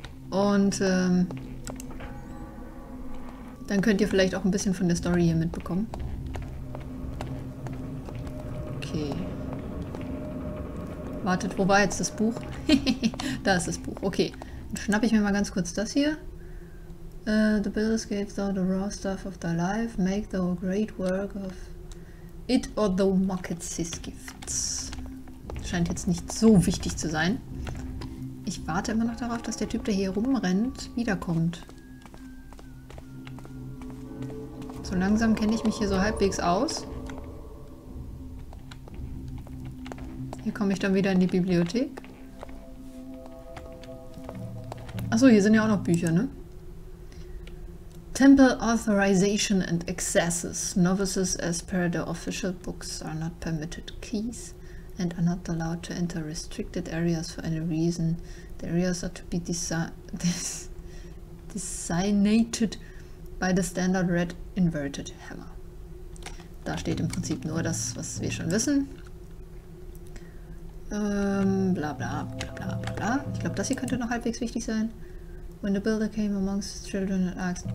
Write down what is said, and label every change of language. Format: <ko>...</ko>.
<de>Und dann könnt ihr vielleicht auch ein bisschen von der Story hier mitbekommen. Okay. Wartet, wo war jetzt das Buch? Da ist das Buch. Okay. Dann schnappe ich mir mal ganz kurz das hier.</de> <en>The builders gave thou the raw stuff of thy life. Make thou a great work of it or thou mockest his gifts.</en> <de>Scheint jetzt nicht so wichtig zu sein. Ich warte immer noch darauf, dass der Typ, der hier rumrennt, wiederkommt. So langsam kenne ich mich hier so halbwegs aus. Hier komme ich dann wieder in die Bibliothek. Achso, hier sind ja auch noch Bücher, ne?</de> <en>Temple Authorization and Accesses. Novices as per the official books are not permitted keys and are not allowed to enter restricted areas for any reason. The areas are to be designated by the standard red inverted hammer.</en> <de>Da steht im Prinzip nur das, was wir schon wissen. Bla bla bla bla bla. Ich glaube, das hier könnte noch halbwegs wichtig sein.</de> <en>When the builder came amongst his children and asked...</en>